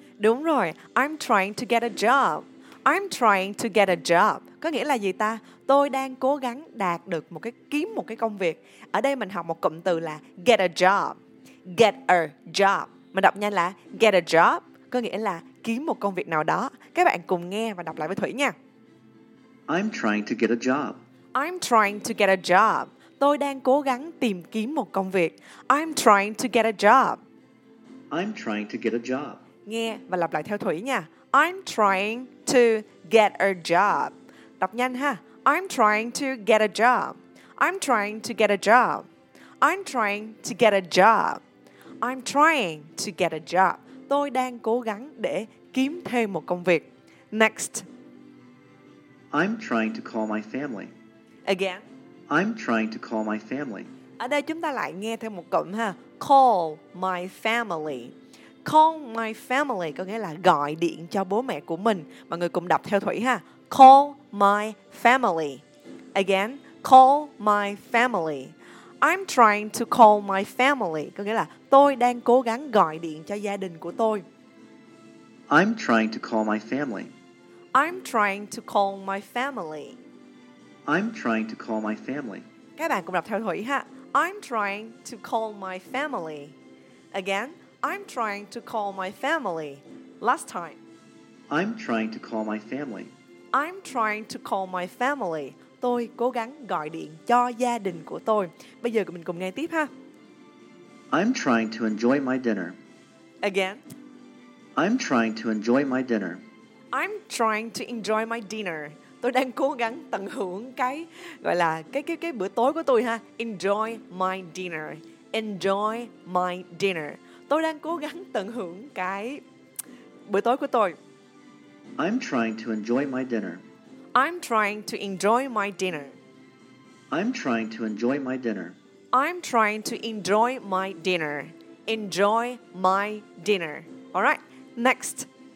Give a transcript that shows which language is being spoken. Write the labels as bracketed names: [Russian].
[Vietnamese] Đúng rồi, [English] I'm trying to get a job. I'm trying to get a job. [Vietnamese] Có nghĩa là gì ta? Tôi đang cố gắng đạt được một cái, kiếm một cái công việc. Ở đây mình học một cụm từ là [English] get a job. Get a job. [Vietnamese] Mình đọc nhanh là [English] get a job. [Vietnamese] Có nghĩa là kiếm một công việc nào đó. Các bạn cùng nghe và đọc lại với Thủy nha. [English] I'm trying to get a job. I'm trying to get a job. [Vietnamese] Tôi đang cố gắng tìm kiếm một công việc. [English] I'm trying to get a job. I'm trying to get a job. [Vietnamese] Nghe và lặp lại theo Thủy nha. [English] I'm trying to get a job. [Vietnamese] Đọc nhanh ha. [English] I'm trying to get a job. I'm trying to get a job. I'm trying to get a job. I'm trying to get a job. [Vietnamese] Tôi đang cố gắng để kiếm thêm một công việc. [English] Next. I'm trying to call my family. Again. I'm trying to call my family. [Vietnamese] Ở đây chúng ta lại nghe thêm một cụm ha. [English] Call my family. Call my family [Vietnamese] có nghĩa là gọi điện cho bố mẹ của mình. Mọi người cùng đọc theo Thủy ha. [English] Call my family. Again, call my family. [Vietnamese] I'm trying to call my family có nghĩa là tôi đang cố gắng gọi điện cho gia đình của tôi. [English] I'm trying to call my family. I'm trying to call my family. I'm trying to call my family. [Vietnamese] Các bạn cùng đọc theo Thủy ha. [English] I'm trying to call my family. Again, I'm trying to call my family. Last time. I'm trying to call my family. I'm trying to call my family. [Vietnamese] Tôi cố gắng gọi điện cho gia đình của tôi. Bây giờ mình cùng nghe tiếp ha. [English] I'm trying to enjoy my dinner. Again. I'm trying to enjoy my dinner. I'm trying to enjoy my dinner. [Vietnamese] Tôi đang cố gắng tận hưởng cái gọi là cái bữa tối của tôi ha. [English] Enjoy my dinner. Enjoy my dinner. [Vietnamese] Tôi đang cố gắng tận hưởng cái bữa tối của tôi. [English] I'm trying to enjoy my dinner. I'm trying to enjoy my dinner. I'm trying to enjoy my dinner. I'm trying to enjoy my dinner. Enjoy my dinner. All right. Next.